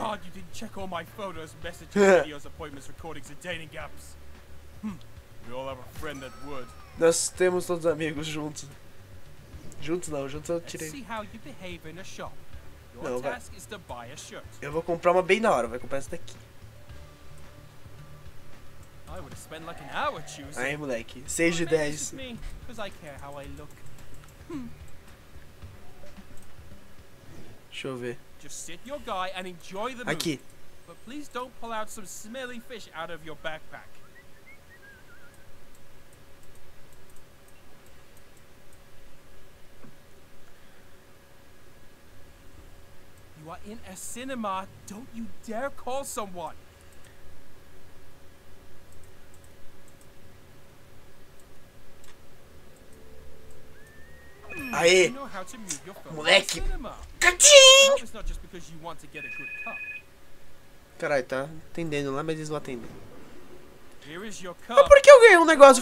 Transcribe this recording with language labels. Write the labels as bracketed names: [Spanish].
[English] Oh, thank God you didn't check all my photos, messages, videos, appointments, recordings and dating apps. We all have a friend that would. [Portuguese] Nós temos todos amigos juntos. Juntos não, juntos eu tirei. [English] See how you behave in a shop. [Portuguese] Não, [English] your task is to buy a shirt. [Portuguese] Eu vou comprar uma bem na hora, vai comprar essa daqui. [English] I would have spent like an hour choosing. [Portuguese] Aí, moleque, 6 de 10. [English] Because I care how I look. [Portuguese] Deixa eu ver. [English] Just sit your guy and enjoy the move. [Portuguese] Aqui. [English] But please don't pull out some smelly fish out of your backpack. You are in a cinema, don't you dare call someone. [Portuguese] Aê! Moleque! Caching! [English] It's not just because you want to get a good cup. [Portuguese] Carai, tá atendendo lá, mas eles não atendem. [English] Here is your cup. [Portuguese] Mas por que eu ganhei um negócio?